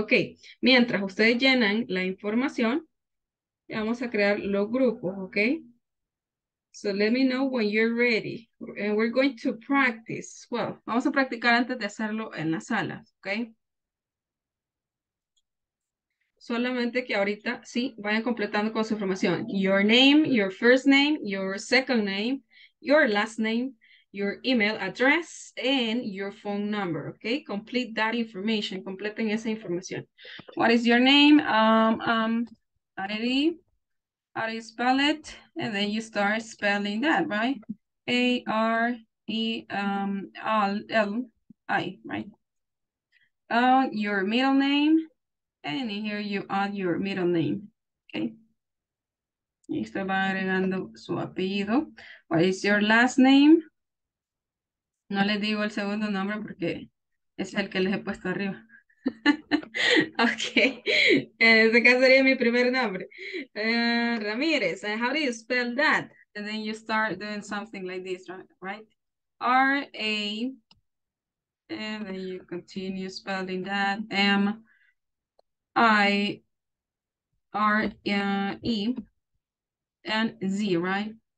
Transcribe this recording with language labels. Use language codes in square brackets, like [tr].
[es] Ok, mientras ustedes llenan la información, vamos a crear los grupos, ok? [en] So let me know when you're ready. And we're going to practice. [es] Well, vamos a practicar antes de hacerlo en la sala, ok? Solamente que ahorita, sí, vayan completando con su información. [en] Your name, your first name, your second name, your last name, your email address, and your phone number, okay? Complete that information. [es] Completen esa información. [en] What is your name? How do you spell it? And then you start spelling that, right? A-R-E-L-I, right? Your middle name. And here you add your middle name, okay? [es] Y usted va agregando su apellido. [en] What is your last name? [es] No le digo el segundo nombre porque es el que les he puesto arriba. Okay, en este caso sería mi primer nombre. [en] Ramírez, how do you spell that? And then you start doing something like this, right? R-A, and then you continue spelling that, M, I, R, E, and Z, right?